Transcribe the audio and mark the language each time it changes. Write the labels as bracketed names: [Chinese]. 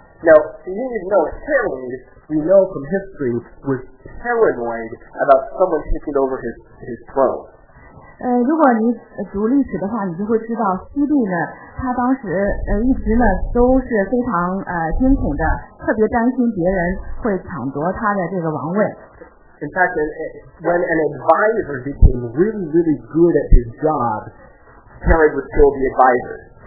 [English] Now, you need to know Herod, we know from history, was paranoid about someone taking over his throne. [Chinese] 如果你读历史的话，你就会知道希律呢，他当时一直呢都是非常惊恐的，特别担心别人会抢夺他的这个王位。 [English] In fact, when an advisor became really, really good at his job, Herod would kill the advisor.